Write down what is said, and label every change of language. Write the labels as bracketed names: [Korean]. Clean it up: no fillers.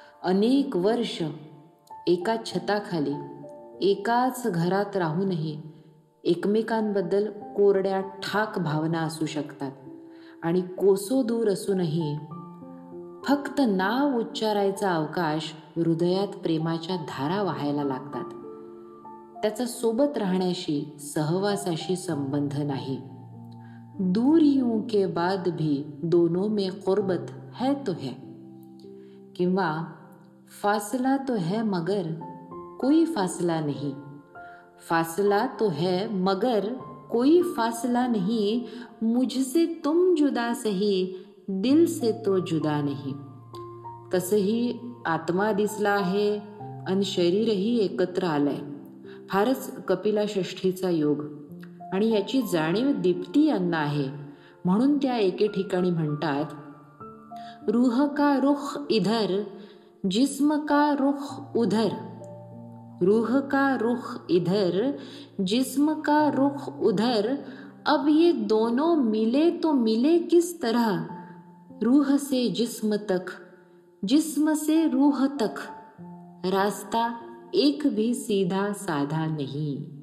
[Marathi] अनेक वर्ष एका छताखाली एकाच घरात राहूनही एकमेकांबद्दल कोरड्या ठाक भावना असू शकतात, आणि कोसो दूर असूनही फक्त नाव उच्चारायचा अवकाश हृदयात प्रेमाच्या धारा वाहायला लागतात। त्याचा सोबत राहण्याशी, सहवासाशी संबंध नाही। [Hindi] दूरियों के बाद भी दोनों में कुर्बत है तो है, [Marathi] किंवा [Hindi] फासला तो है मगर कोई फासला नहीं, फासला तो है मगर कोई फासला नहीं, मुझसे तुम जुदा सही, दिल से तो जुदा नहीं। [Marathi] तसही आत्मा दिसला आहे आणि शरीरही एकत्र आलंय, फारच कपिला षष्ठीचा योग। आणि याची जाणीव दीप्ती यांना आहे, म्हणून त्या एके ठिकाणी म्हणतात, [Hindi] रूह का रुख इधर, जिस्म का रुख उधर, रूह का रुख इधर, जिस्म का रुख उधर, अब ये दोनों मिले तो मिले किस तरह, रूह से जिस्म तक, जिस्म से रूह तक, रास्ता एक भी सीधा साधा नहीं।